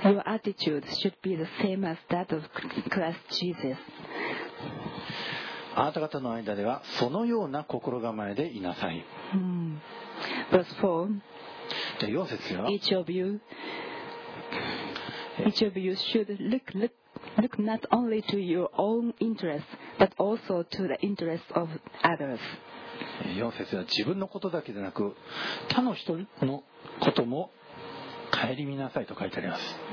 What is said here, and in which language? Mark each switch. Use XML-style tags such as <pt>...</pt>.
<en>Your attitude should be the same as that of Christ Jesus.</en> <ja>あなた方の間ではそのような心構えでいなさい。</ja> <en>Verse</en> <ja>4. 4節は。</ja> <en>Each of you should look not only to your own interests, but also to the interests of others.</en> <ja>4節は自分のことだけでなく他の人のことも顧みなさいと書いてあります。</ja>